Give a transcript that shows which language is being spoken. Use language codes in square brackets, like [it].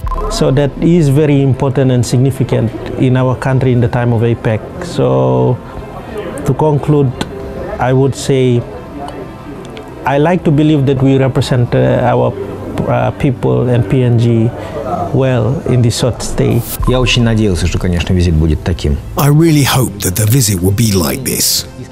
[en] So that is very important and significant in our country in the time of APEC. So to conclude, I would say I like to believe that we represent our people and PNG well in this short stay. [ru] Я очень надеялся, что, конечно, визит будет таким. [en] I really hope that the visit will be like this.